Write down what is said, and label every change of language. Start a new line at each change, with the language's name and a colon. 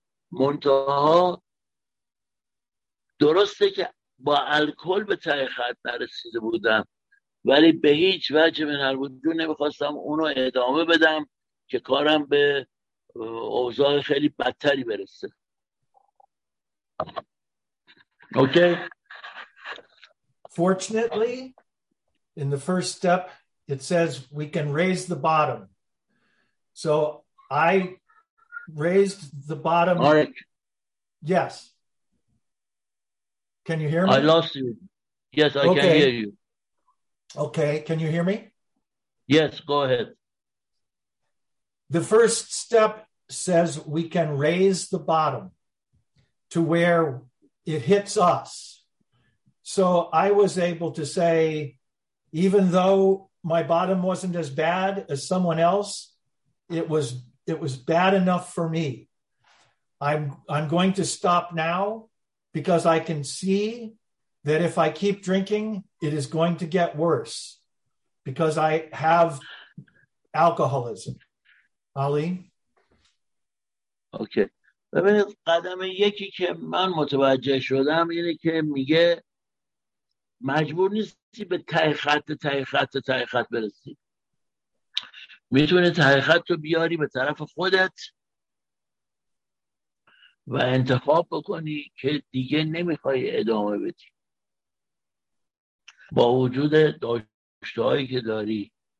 Persian: منتها درسته که با الکل به ته خط نرسیده بودم ولی به هیچ وجه من الوجود نمیخواستم اونو ادامه بدم که کارم به اوضاع خیلی بدتری برسه.
English: Okay? Fortunately, in the first step, it says we can raise the bottom. So I raised the bottom. Mark. Yes. Can you hear me? I lost you. Yes, I okay. can hear you. Okay, can you hear me? Yes, go ahead. The first step says we can raise the bottom to where it hits us. So I was able to say, even though my bottom wasn't as bad as someone else, it was bad enough for me. I'm going to stop now. Because I can see that if I keep drinking, it is going to get worse because I have alcoholism. Ali? Okay.
Persian: ببینید قدم یکی که من متوجه شدم اینه که میگه مجبور نیستی به تای خط برسی. میتونی تای خط رو بیاری به طرف خودت و انتخاب بکنی که دیگه نمیخوای ادامه بدی با وجود داشته‌هایی که داری.